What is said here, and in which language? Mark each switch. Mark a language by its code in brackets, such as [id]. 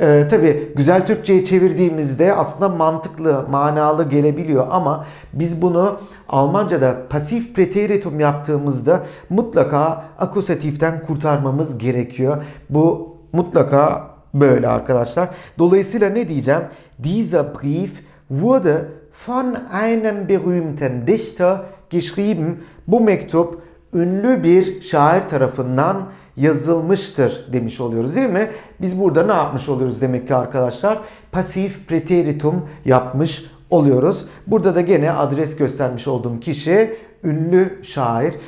[tr] Tabii güzel Türkçe'ye çevirdiğimizde aslında mantıklı, manalı gelebiliyor ama biz bunu Almanca'da pasif preteritum yaptığımızda mutlaka akusatiften kurtarmamız gerekiyor. Bu mutlaka böyle arkadaşlar. Dolayısıyla ne diyeceğim? [de] Dieser Brief wurde von einem berühmten Dichter geschrieben. [tr] Bu mektup ünlü bir şair tarafından yazılmıştır demiş oluyoruz, değil mi? Biz burada ne yapmış oluyoruz demek ki arkadaşlar? Pasif preteritum yapmış oluyoruz. Burada da gene adres göstermiş olduğum kişi ünlü şair.